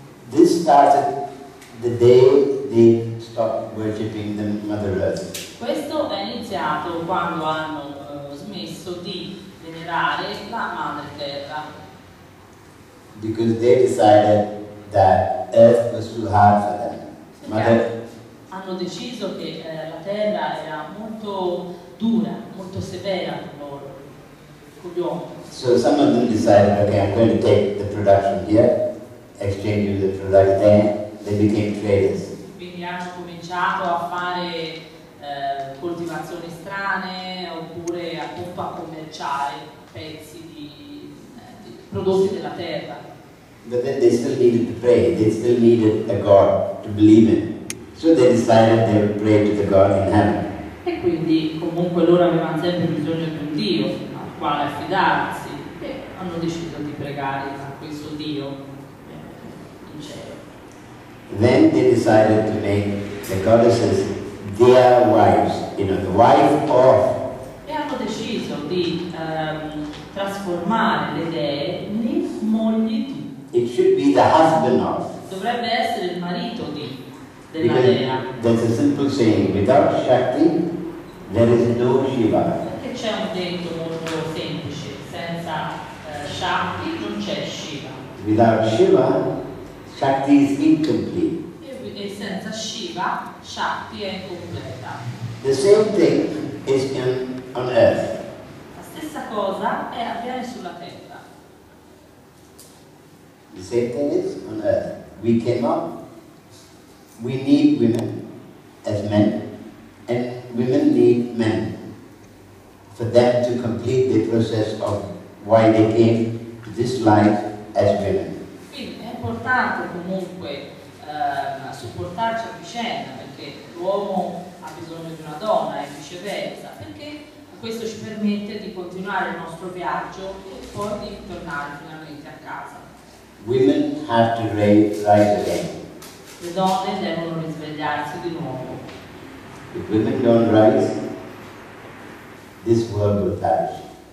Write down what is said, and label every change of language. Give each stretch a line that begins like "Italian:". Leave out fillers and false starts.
English: This started the day they stopped worshipping the Mother Earth.
Italian: Questo è iniziato quando hanno smesso di venerare la Madre Terra.
English: Because they decided that Earth was too hard for them. Mother...
Italian: Hanno deciso che la Terra era molto dura, molto severa per loro, con gli uomini.
English: So some of them decided, okay, I'm going to take the production here, exchange the product there, they became traders.
Italian: Quindi hanno cominciato a fare coltivazioni strane oppure appunto a commerciare pezzi di prodotti della terra.
English: But then they still needed to pray, they still needed a God to believe in. So they decided they would pray to the God in heaven.
Italian: E quindi comunque loro avevano sempre bisogno di un Dio al quale affidarsi. Hanno deciso di pregare a questo Dio in cielo.
English: Then they decided to make the goddesses their wives, you know, the wife of.
Italian: E hanno deciso di trasformare le dee in mogli di.
English: It should be the husband of.
Italian: Dovrebbe essere il marito di della
English: Because
Italian: dea.
English: There's a simple saying: without Shakti, there is no Shiva.
Italian: Perché c'è un detto molto semplice: senza Shakti non c'è Shiva.
English: Without Shiva, Shakti is incomplete.
Italian: E senza Shiva, Shakti è incompleta.
English: The same thing is in, on Earth.
Italian: La stessa cosa è avviene sulla Terra.
English: The same thing is on Earth. We came up, we need women as men, and women need men for them to complete the process of why they came to this life as women.
Italian: Quindi è importante comunque supportarci a vicenda, perché l'uomo ha bisogno di una donna e viceversa, perché questo ci permette di continuare il nostro viaggio e poi di tornare finalmente a casa.
English: Women have to rise again.
Italian: Le donne devono risvegliarsi di nuovo.
English: If women don't rise, this world will perish.